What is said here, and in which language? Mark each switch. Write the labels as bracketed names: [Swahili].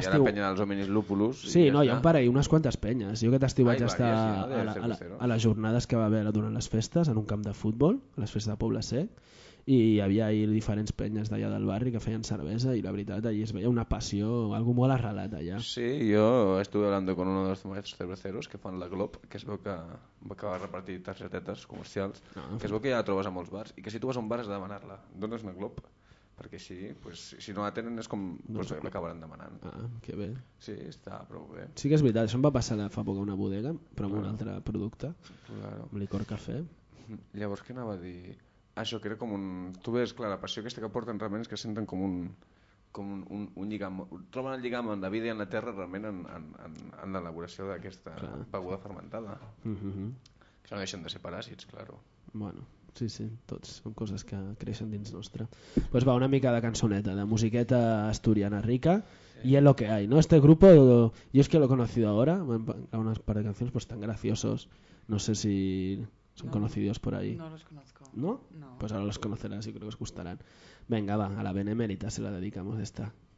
[Catalan] Hi ha la penya dels Hominis Lupulus. Sí, i no, hi ha un parell, unes quantes penyes. Jo aquest estiu vaig estar ja, a les jornades que va haver durant les festes, en un camp de futbol, a les festes de Poble Sec, i hi havia ahir diferents penyes d'allà del barri que feien cervesa, i la veritat, allà es veia una passió, algo molt arrelat allà. Sí, jo [Spanish] estuve hablando con uno de los maestros cerveceros [Catalan] que fan la Glob, que es veu que va acabar repartint targetetes comercials, no, que es veu que ja la trobes a molts bars, i que si tu vas a un bar has de demanar-la. Dones una Glob? Perquè així, pues, si no la tenen és com pues, l'acabaran demanant. Ah, que bé. Sí, està prou bé. Sí que és veritat, això em va passar fa poc a una bodega, però amb claro, un altre producte, claro, amb licor cafè. Llavors què anava a dir? Això que era com un... Tu veus, clar, la passió aquesta que porten realment és que senten com un... com un lligam, troben el lligam en la vida i en la terra realment en l'elaboració d'aquesta beguda fermentada. Que no deixen de ser paràsits, claro. Bueno. Sí, sí, tots són coses que creixen dins nostre. Doncs pues va, una mica de cançoneta, de musiqueta asturiana rica, sí. [Spanish] Y es lo que hay, ¿no? Este grupo, yo es que lo he conocido ahora, un par de canciones pues tan graciosos, no sé si son no, conocidos por ahí. No los conozco. ¿No? No. Pues ahora los conocerás y creo que os gustarán. Venga, va, a la Benemérita se la dedicamos esta.